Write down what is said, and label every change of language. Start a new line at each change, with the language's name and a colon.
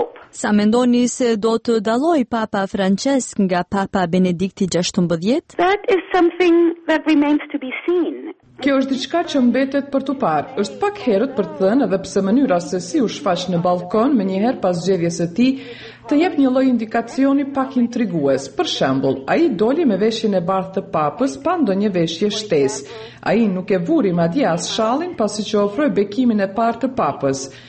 Albanian: Sa mendoni se do të dalloj Papa Francesc nga Papa Benedikti 16?
English: That is something that remains to be seen.
Albanian: Kjo është diçka që mbetet për tu parë. Është pak herët për të thënë edhe pse mënyra se si u shfaq në balkon më njëherë pas zgjedhjes së tij të jep një lloj indikacioni pak intrigues. Për shembull, ai doli me veshjen e bardhë të papës pa ndonjë veshje shtesë. Ai nuk e vuri madje as shallin pasi që ofroi bekimin e parë të papës.